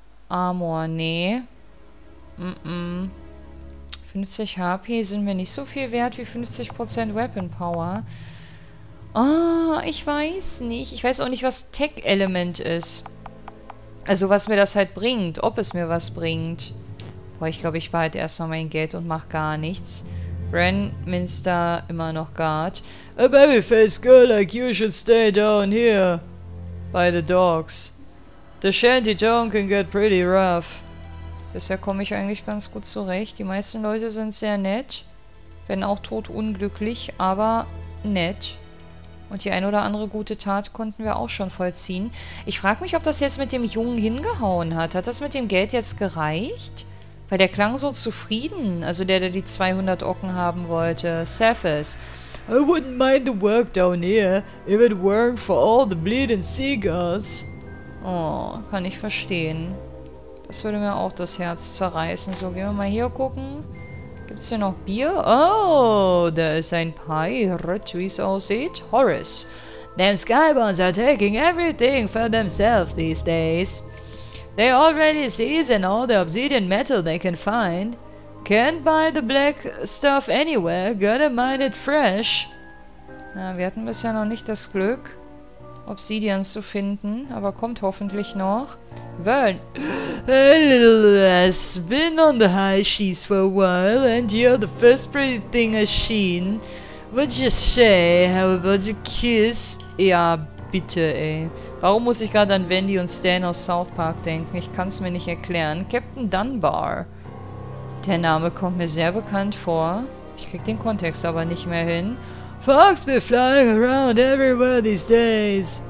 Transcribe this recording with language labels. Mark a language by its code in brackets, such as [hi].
[de] Armor, nee. Mm-mm. 50 HP sind mir nicht so viel wert wie 50% Weapon Power. Ah, oh, ich weiß nicht. Ich weiß auch nicht, was Tech Element ist. Also was mir das halt bringt, ob es mir was bringt. Boah, ich glaube, ich behalte erstmal mein Geld und mache gar nichts. Renminster immer noch Guard. [en] A baby-faced girl like you should stay down here. By the dogs. The shanty town can get pretty rough. [de] Bisher komme ich eigentlich ganz gut zurecht. Die meisten Leute sind sehr nett. Wenn auch todunglücklich, aber nett. Und die ein oder andere gute Tat konnten wir auch schon vollziehen. Ich frage mich, ob das jetzt mit dem Jungen hingehauen hat. Hat das mit dem Geld jetzt gereicht? Weil der klang so zufrieden, also der die 200 Ocken haben wollte. Cephas. [en] I wouldn't mind the work down here, if it weren't for all the bleeding seagulls. [de] Oh, kann ich verstehen. Das würde mir auch das Herz zerreißen. So, gehen wir mal hier gucken. Gibt's hier noch Bier? Oh, da ist ein Pirate, wie es aussieht. Horace. [en] Them Skyborns are taking everything for themselves these days. They already seized all the obsidian metal they can find. Can't buy the black stuff anywhere, gotta mine it fresh. [de] Ja, wir hatten bisher noch nicht das Glück, Obsidian zu finden, aber kommt hoffentlich noch. Vern. [en] A little less. Been on the high seas for a while and you're the first pretty thing I've seen. Would you say, how about a kiss? [de] Ja, bitte, ey. Warum muss ich gerade an Wendy und Stan aus South Park denken? Ich kann es mir nicht erklären. Captain Dunbar. Der Name kommt mir sehr bekannt vor. Ich krieg den Kontext aber nicht mehr hin. [en] Fox be flying around everywhere these days.